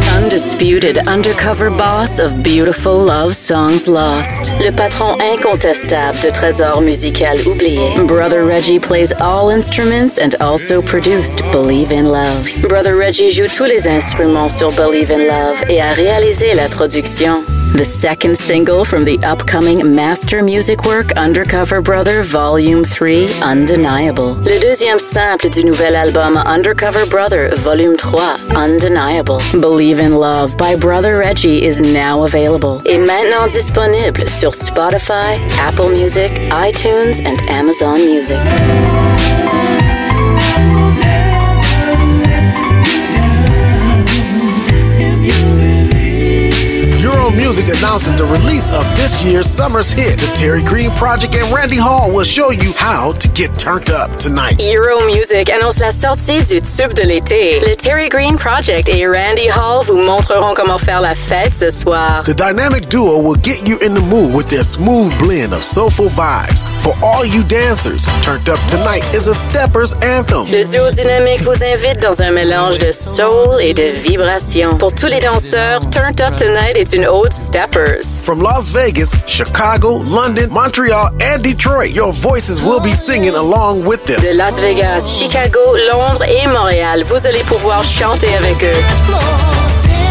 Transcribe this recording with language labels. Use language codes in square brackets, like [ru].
[en] Disputed undercover boss of Beautiful Love Songs Lost. [fr] Le patron incontestable de Trésor Musical Oublié. [en] Brother Reggie plays all instruments and also produced Believe in Love. [fr] Brother Reggie joue tous les instruments sur Believe in Love et a réalisé la production. [en] The second single from the upcoming master music work Undercover Brother Volume 3, Undeniable. [fr] Le deuxième simple du nouvel album Undercover Brother Volume 3, Undeniable. [en] Believe in Love by Brother Reggie is now available. [fr] Et maintenant disponible sur Spotify, Apple Music, iTunes and Amazon Music. [en] Music announces the release of this year's summer's hit. The Terry Green Project and Randy Hall will show you how to get turned up tonight. [fr] Euro Music annonce la sortie du tube de l'été. Le Terry Green Project et Randy Hall vous montreront comment faire la fête ce soir. [en] The dynamic duo will get you in the mood with their smooth blend of soulful vibes. For all you dancers, Turned Up Tonight is a stepper's anthem. [fr] Le duo dynamique vous invite dans un mélange de soul et de vibration. Pour tous les danseurs, Turned Up Tonight est une ode steppers. [en] From Las Vegas, Chicago, London, Montreal, and Detroit, your voices will be singing along with them. [fr] De Las Vegas, Chicago, Londres et Montréal, vous allez pouvoir chanter avec eux.